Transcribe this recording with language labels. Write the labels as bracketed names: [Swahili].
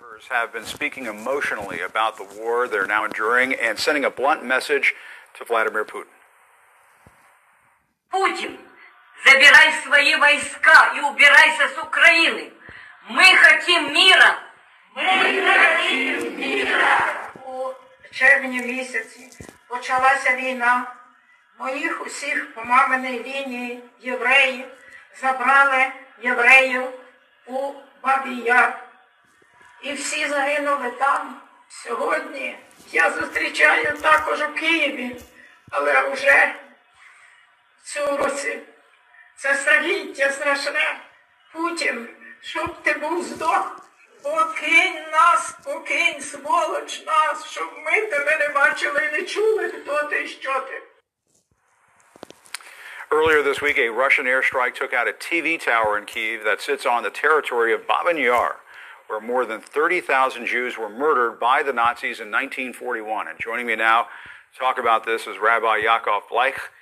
[English] Have been speaking emotionally about the war they're now enduring and sending a blunt message to Vladimir Putin. [Russian] Путин, забирай свои войска и убирайся с Украины. Мы хотим мира. Мы хотим мира. [Ukrainian] У червня місяці почалася війна. Моїх усіх по маминій лінії євреї забрали євреїв у Бабий Яр. І всі загинули там. Сьогодні я зустрічаю також у Києві, але вже в цьому році. Це страхіття страшне. Путін, щоб ти був здох, покинь нас, покинь, сволоч нас, щоб ми тебе не бачили і не чули, хто ти, що ти. [English] Earlier this week, a Russian airstrike took out a TV tower in Kyiv that sits on the territory of Babyn Yar, where more than 30,000 Jews were murdered by the Nazis in 1941. And joining me now to talk about this is Rabbi Yaakov Bleich.